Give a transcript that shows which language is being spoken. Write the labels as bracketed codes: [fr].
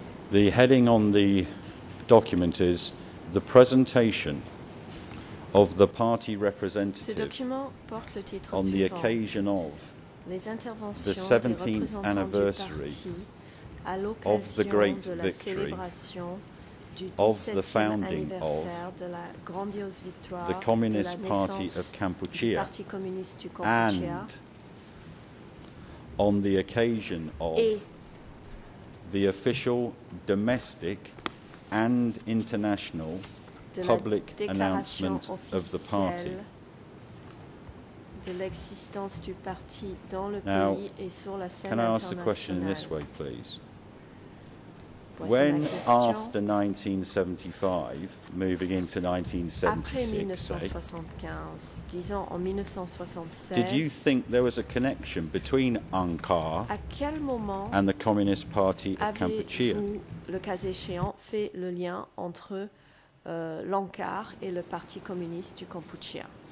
[en] The heading on the document is the presentation of the party representative on the occasion of the 17th anniversary of the great victory of the founding of the Communist Party of Kampuchea and on the occasion of the official domestic and international public announcement of the party. [fr] De l'existence du parti dans le pays et sur la scène internationale. [en] Can I ask the question in this way, please? When, after 1975, moving into 1976, [fr] say, en 1976, [en] did you think there was a connection between UNCAR [fr] à quel moment [en] and the Communist Party of Kampuchea? [fr] Le cas échéant, fait le lien entre l'UNCAR et le Parti communiste du Kampuchea?